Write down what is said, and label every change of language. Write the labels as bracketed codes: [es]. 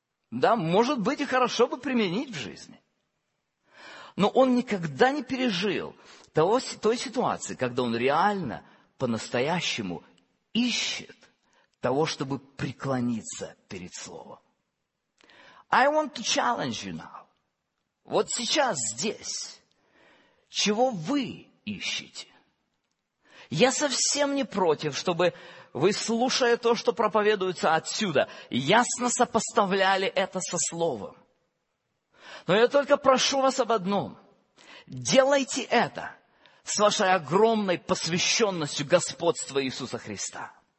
[ru] Да, может быть, и хорошо бы применить в жизни. Но он никогда не пережил той ситуации, когда он реально по-настоящему ищет того, чтобы преклониться перед Словом. [en] I want to challenge you now. [ru] Вот сейчас, здесь, чего вы ищете? Я совсем не против, чтобы вы, слушая то, что проповедуется отсюда, ясно сопоставляли это со Словом. Но я только прошу вас об одном. Делайте это с вашей огромной посвященностью господства Иисуса Христа.